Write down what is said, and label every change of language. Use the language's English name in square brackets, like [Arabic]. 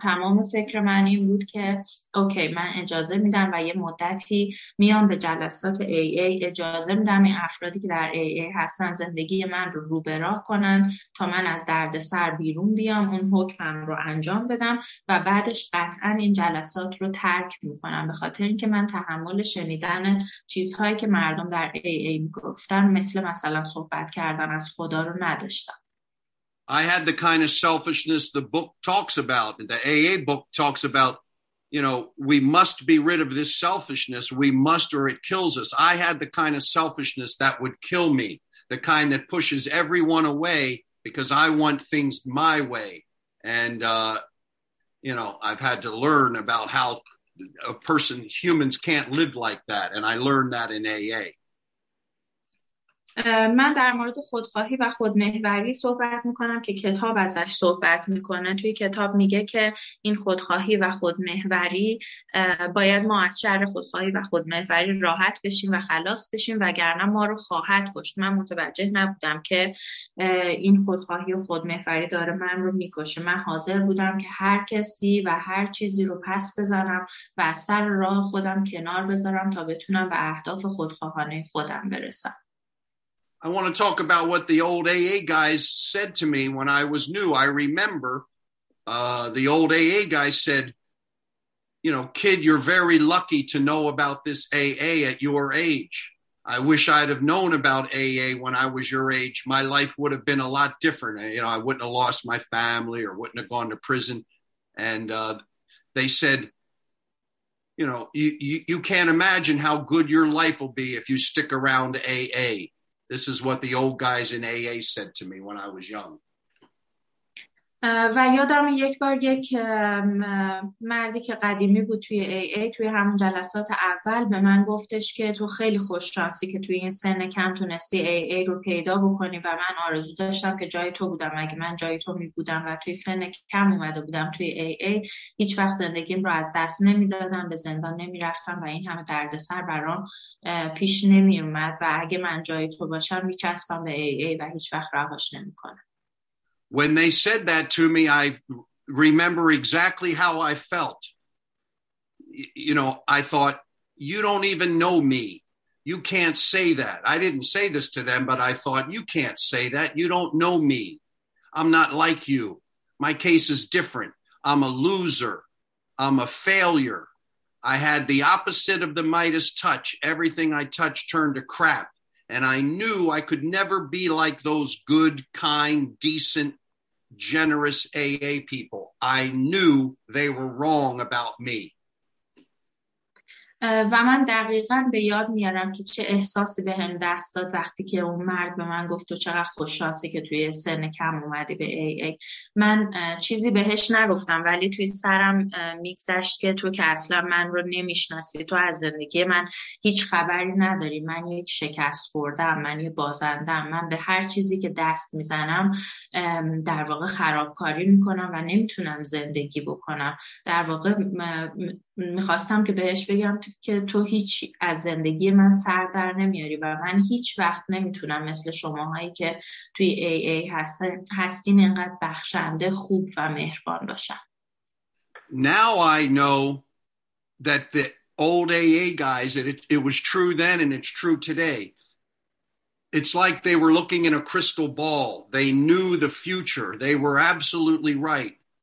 [Persian] تمام فکر من این بود که اوکی، من اجازه میدم و یه مدتی میام به جلسات AA، اجازه میدم این افرادی که در AA هستن زندگی من رو روبراه کنن تا من از درد سر بیرون بیام، اون حکمم رو انجام بدم و بعدش قطعاً این جلسات رو ترک میکنم، به خاطر اینکه من تحمل شنیدن چیزهایی که مردم در AA میگفتن، مثل مثلا صحبت کردن از خدا رو نداشتم. [English] I had the kind of selfishness the book talks about. The AA book talks about, you know, we must be rid of this selfishness. We must or it kills us. I had the kind of selfishness that would kill me. The kind that pushes everyone away because I want things my way. And, you know, I've had to learn about how a person, humans can't live like that. And I learned that in AA. [Persian] من در مورد خودخواهی و خودمحوری صحبت میکنم که کتاب ازش صحبت میکنه. توی کتاب میگه که این خودخواهی و خودمحوری باید ما از شر خودخواهی و خودمحوری راحت بشیم و خلاص بشیم وگرنه ما رو خواهد کشت. من متوجه نبودم که این خودخواهی و خودمحوری داره من رو میکشه. من حاضر بودم که هر کسی و هر چیزی رو پس بذارم و از سر راه خودم کنار بذارم تا بتونم به اهداف خودخواهانه خودم برسم. [English] I want to talk about what the old AA guys said to me when I was new. I remember the old AA guy said, you know, kid, you're very lucky to know about this AA at your age. I wish I'd have known about AA when I was your age. My life would have been a lot different. You know, I wouldn't have lost my family or wouldn't have gone to prison. And they said, you know, you can't imagine how good your life will be if you stick around AA. This is what the old guys in AA said to me when I was young. [Persian] و یادم یک بار یک مردی که قدیمی بود توی AA توی همون جلسات اول به من گفتش که تو خیلی خوش شانسی که توی این سن کم تونستی AA رو پیدا بکنی و من آرزو داشتم که جای تو بودم. اگه من جای تو می بودم و توی سن کم اومده بودم توی AA هیچ وقت زندگیم رو از دست نمی دادم، به زندان نمی رفتم و این همه دردسر برام پیش نمی اومد و اگه من جای تو باشم می چسبم به AA و هیچ وقت رهاش نمی کنم. [English] When they said that to me, I remember exactly how I felt. You know, I thought, you don't even know me. You can't say that. I didn't say this to them, but I thought, you can't say that. You don't know me. I'm not like you. My case is different. I'm a loser. I'm a failure. I had the opposite of the Midas touch. Everything I touched turned to crap. And I knew I could never be like those good, kind, decent, generous AA people. I knew they were wrong about me. [Persian] و من دقیقا به یاد میارم که چه احساسی به هم دست داد وقتی که اون مرد به من گفت تو چقدر خوششانسی که توی سن کم اومدی به AA. من چیزی بهش نگفتم ولی توی سرم میگذشت که تو که اصلا من رو نمیشناسی، تو از زندگی من هیچ خبری نداری، من یک شکست خوردم، من یک بازندم، من به هر چیزی که دست میزنم در واقع خرابکاری میکنم و نمیتونم زندگی بکنم. در واقع میخواستم که بهش بگم که تو هیچ از زندگی من سر در نمیاری و من هیچ وقت نمیتونم مثل شماهایی که توی AA هستین اینقدر بخشنده خوب و مهربان باشم. [English] Now I know that the old AA guys, it was true then and it's true today. It's like they were looking in a crystal ball. They knew the future. They were absolutely right.